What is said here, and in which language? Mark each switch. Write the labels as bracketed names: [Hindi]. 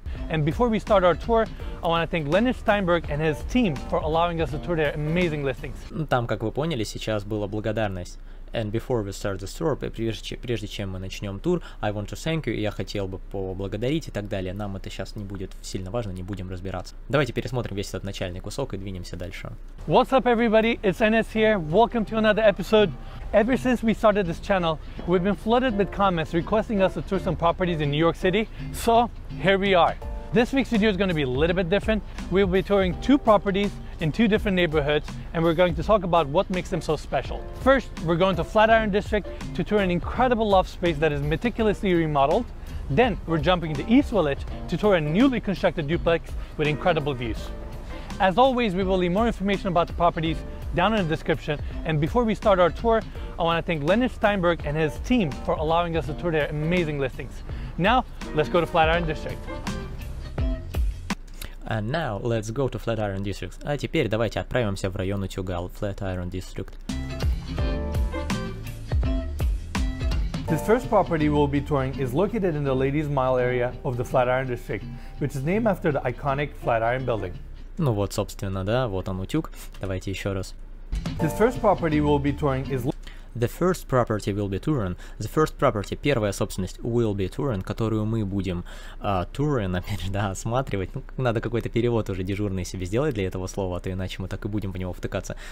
[English] And before we start our tour, I want to thank Leonard Steinberg and his team for allowing us to tour their amazing listings. [Russian] Там, как вы поняли, сейчас была благодарность. [English] And before we start the tour, [Russian] прежде чем мы начнем тур, [English] I want to thank you, [Russian] я хотел бы поблагодарить и так далее. Нам это сейчас не будет сильно важно, не будем разбираться. Давайте пересмотрим весь этот начальный кусок и двинемся дальше. [English] What's up, everybody? It's NS here. Welcome to another episode. Ever since we started this channel, we've been flooded with comments requesting us to tour some properties in New York City. So, here we are. This week's video is going to be a little bit different. We'll be touring two properties in two different neighborhoods, and we're going to talk about what makes them so special. First, we're going to Flatiron District to tour an incredible loft space that is meticulously remodeled. Then, we're jumping to East Village to tour a newly constructed duplex with incredible views. As always, we will leave more information about the properties down in the description. And before we start our tour, I want to thank Leonard Steinberg and his team for allowing us to tour their amazing listings. Now, let's go to Flatiron District. And now, let's go to Flatiron District. [Russian] А теперь давайте отправимся в район Утюгал, [English] Flatiron District. This first property we'll be touring is located in the Ladies Mile area of the Flatiron District, which is named after the iconic Flatiron building. [Russian] Ну вот, собственно, да, вот он, Утюг. Давайте еще раз. [English] This first property we'll be touring is... The first property will be touring. The first property, [Russian] первая собственность, [English] will be touring, [Russian] которую мы будем [English] touring, [Russian] опять же, да, осматривать. Ну, надо какой-то перевод уже дежурный себе сделать для этого слова, а то иначе мы так и будем в него втыкаться.